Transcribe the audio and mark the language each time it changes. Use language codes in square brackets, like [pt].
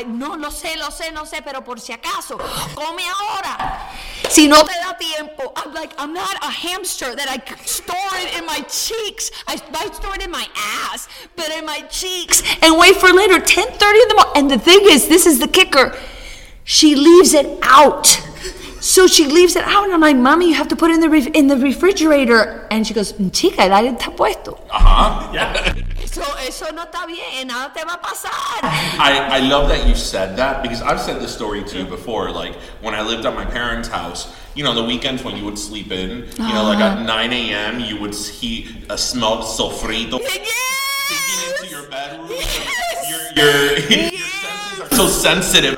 [es] No sé, pero por si acaso, come ahora. Si no te da tiempo, [en] I'm like, I'm not a hamster that I store it in my cheeks. I might store it in my ass, but in my cheeks. And wait for later, 10:30 in the morning. And the thing is, this is the kicker. She leaves it out. So she leaves it out, and I'm like, mommy, you have to put it in the refrigerator. And she goes, [es] chica, el aire está puesto. [en] Uh-huh, yeah. [es] eso no está bien, nada te va a pasar. [en] I love that you said that, because I've said this story to you before, like, when I lived at my parents' house, you know, the weekends when you would sleep in, you know, like at 9 a.m., you would see a smelled sofrito. Yes! Into your bedroom. Yes! Your senses are so sensitive.